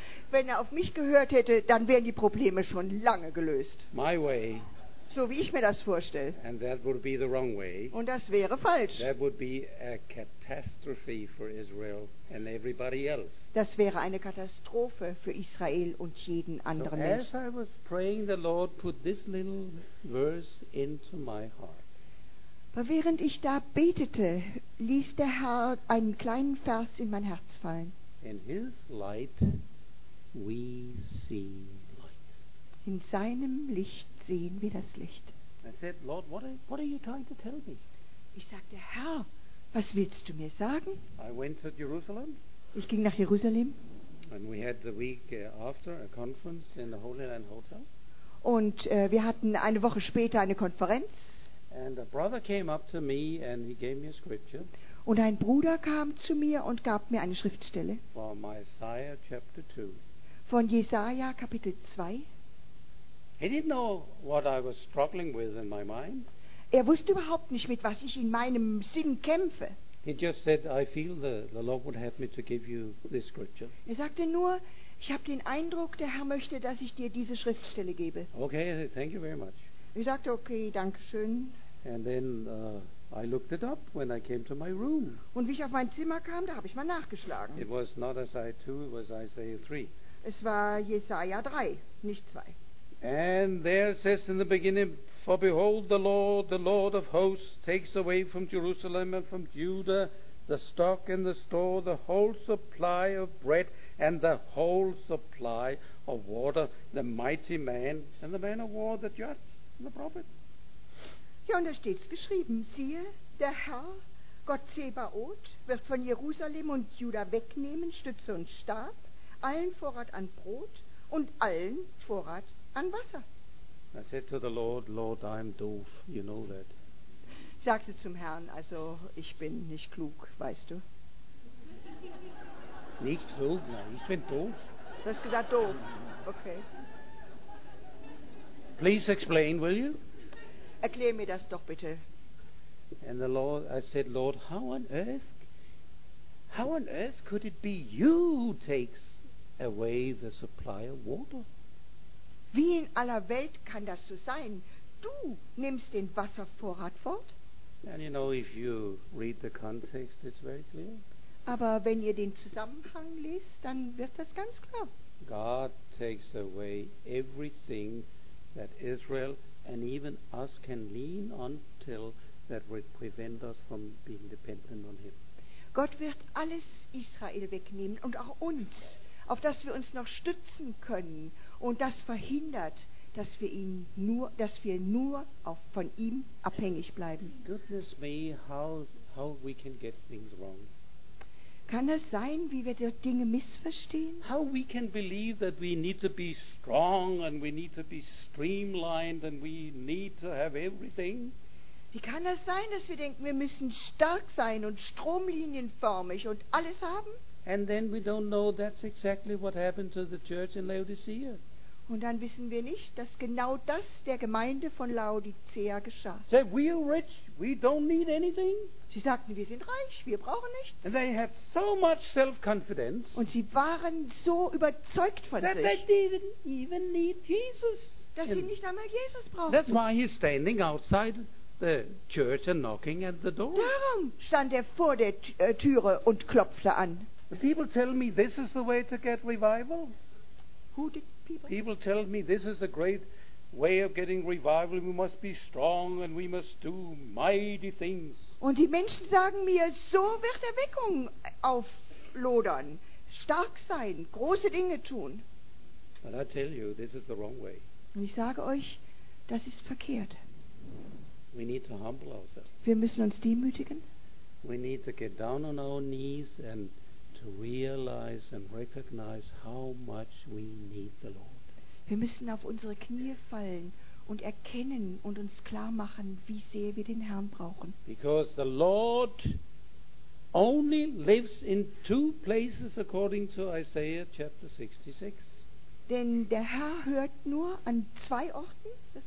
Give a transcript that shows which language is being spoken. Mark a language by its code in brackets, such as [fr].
[de] Wenn er auf mich gehört hätte, dann wären die Probleme schon lange gelöst. [en] My way. [de] So wie ich mir das vorstelle. [en] And that would be the wrong way. [de] Und das wäre falsch. [en] That would be a catastrophe for Israel and everybody else. [de] Das wäre eine Katastrophe für Israel und jeden anderen [en] so [de] Menschen. [en] So as I was praying, the Lord put this little verse into my heart. [de] Aber während ich da betete, ließ der Herr einen kleinen Vers in mein Herz fallen. [en] In his light we see light. [de] In seinem Licht sehen wir das Licht. [en] I said, Lord, what are you trying to tell me? [de] Ich sagte, Herr, was willst du mir sagen? [en] I went to Jerusalem. [de] Ich ging nach Jerusalem. [en] And we had the week after a conference in the Holy Land Hotel. [de] Und wir hatten eine Woche später eine Konferenz. [en] And a brother came up to me and he gave me a scripture. [de] Und ein Bruder kam zu mir und gab mir eine Schriftstelle. [en] From Isaiah chapter 2. [de] Von Jesaja Kapitel 2. [en] He didn't know what I was struggling with in my mind. [de] Er wusste überhaupt nicht, mit was ich in meinem Sinn kämpfe. [en] He just said, I feel the Lord would have me to give you this scripture. [de] Er sagte nur, ich habe den Eindruck, der Herr möchte, dass ich dir diese Schriftstelle gebe. [en] Okay, thank you very much. [de] Ich sagte, okay, danke schön. [en] And then I looked it up when I came to my room. [de] Und wie ich auf mein Zimmer kam, da habe ich mal nachgeschlagen. [en] It was not Isaiah 2, it was Isaiah 3. [de] Es war Jesaja 3, nicht 2. [en] And there it says in the beginning, for behold the Lord of hosts, takes away from Jerusalem and from Judah the stock and the store, the whole supply of bread and the whole supply of water, the mighty man and the man of war, the judge. [de] Ja, und da steht's geschrieben. Siehe, der Herr, Gott Zebaoth, wird von Jerusalem und Juda wegnehmen, Stütze und Stab, allen Vorrat an Brot und allen Vorrat an Wasser. [en] I said to the Lord, Lord, I'm doof, you know that. [de] Ich sagte zum Herrn, also ich bin nicht klug, weißt du. Nicht klug, nein, ich bin doof. Du hast gesagt doof, okay. [en] Please explain, will you? [de] Erklär mir das doch bitte. [en] And the Lord, I said, Lord, how on earth could it be you who takes away the supply of water? [de] Wie in aller Welt kann das so sein? Du nimmst den Wasservorrat fort? [en] And you know, if you read the context, it's very clear. [de] Aber wenn ihr den Zusammenhang liest, dann wird das ganz klar. [en] God takes away everything that Israel and even us can lean on till that will prevent us from being dependent on him. [de] Gott wird alles Israel wegnehmen und auch uns, auf das wir uns noch stützen können und das verhindert, dass wir nur auch von ihm abhängig bleiben. [en] Goodness me, how we can get things wrong. [de] Kann es sein, wie wir dort Dinge missverstehen? [en] How we can believe that we need to be strong and we need to be streamlined and we need to have everything? [de] Wie kann das sein, dass wir denken, wir müssen stark sein und stromlinienförmig und alles haben? [en] And then we don't know that's exactly what happened to the church in Laodicea. [de] Und dann wissen wir nicht, dass genau das der Gemeinde von Laodicea geschah. [en] Said, we are rich, we don't need anything. [de] Sie sagten, wir sind reich, wir brauchen nichts. [en] And they had so much self-confidence. [de] Und sie waren so überzeugt von [en] that [de] sich. [en] That they didn't even need Jesus. [de] Dass sie nicht einmal Jesus brauchten. [en] That's why he's standing outside the church and knocking at the door. Darum stand vor der Türe und klopfte an. The people tell me this is the way to get revival. Who did people? People tell me this is a great way of getting revival. We must be strong and we must do mighty things. [de] Und die Menschen sagen mir, so wird Erweckung auflodern. Stark sein, große Dinge tun. [en] But I tell you, this is the wrong way. [de] Und ich sage euch, das ist verkehrt. [en] We need to humble ourselves. [de] Wir müssen uns demütigen. [en] We need to get down on our knees and to realize and recognize how much we need the Lord. [de] Wir müssen auf unsere Knie fallen und erkennen und uns klar machen, wie sehr wir den Herrn brauchen. [en] Because the Lord only lives in two places according to Isaiah chapter 66. [de] Denn der Herr hört nur an zwei Orten, ist das